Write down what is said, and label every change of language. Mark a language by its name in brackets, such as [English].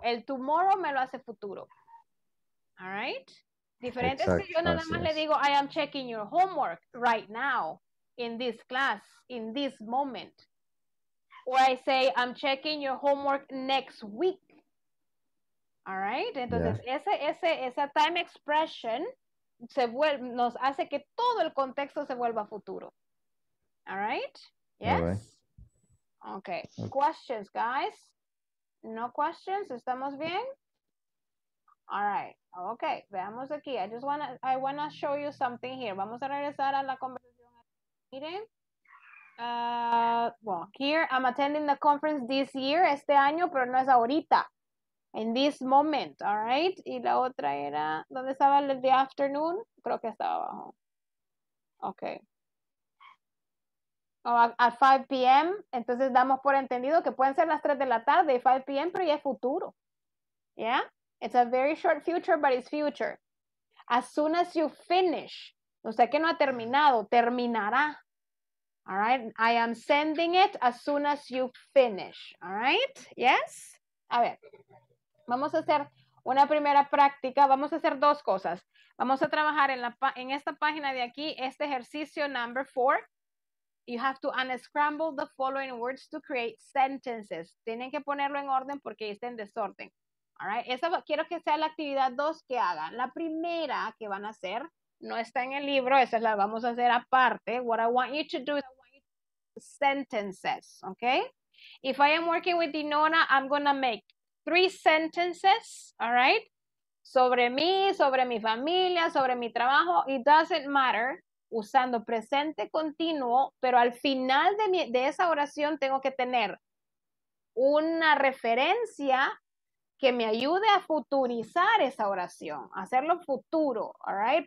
[Spanish] El tomorrow me lo hace futuro. [English] All right? [Spanish] Diferente es que yo nada más le digo, [English] I am checking your homework right now, in this class, in this moment. Or I say, I'm checking your homework next week. All right? [Spanish] Entonces, yeah, esa time expression se vuelve, nos hace que todo el contexto se vuelva futuro. [English] All right? Yes? All right. Okay. Questions, guys? No questions? [Spanish] ¿Estamos bien? [English] All right. Okay, [Spanish] veamos aquí. [English] I wanna show you something here. [Spanish] Vamos a regresar a la conversación. Miren, [English] well, here I'm attending the conference this year, [Spanish] este año, pero no es ahorita. [English] In this moment, all right? [Spanish] Y la otra era, ¿dónde estaba el de afternoon? Creo que estaba abajo. Okay. Oh, at 5 p.m., entonces damos por entendido que pueden ser las 3 de la tarde, 5 p.m., pero ya es futuro. ¿Ya? [English] It's a very short future, but it's future. As soon as you finish, [Spanish] usted que no ha terminado, terminará. [English] All right? I am sending it as soon as you finish. All right? Yes? [Spanish] A ver, vamos a hacer una primera práctica. Vamos a hacer dos cosas. Vamos a trabajar en esta página de aquí, este ejercicio number 4. [English] You have to unscramble the following words to create sentences. [Spanish] Tienen que ponerlo en orden porque está en desorden. [English] All right, [Spanish] esa quiero que sea la actividad 2 que hagan. La primera que van a hacer no está en el libro, esa la vamos a hacer aparte. [English] What I want you to do is I want you to make sentences, okay? If I am working with Dinora, I'm gonna make 3 sentences, all right? [Spanish] Sobre mí, sobre mi familia, sobre mi trabajo, [English] it doesn't matter, [Spanish] usando presente continuo, pero al final de esa oración tengo que tener una referencia que me ayude a futurizar esa oración, hacerlo futuro, [English] all right?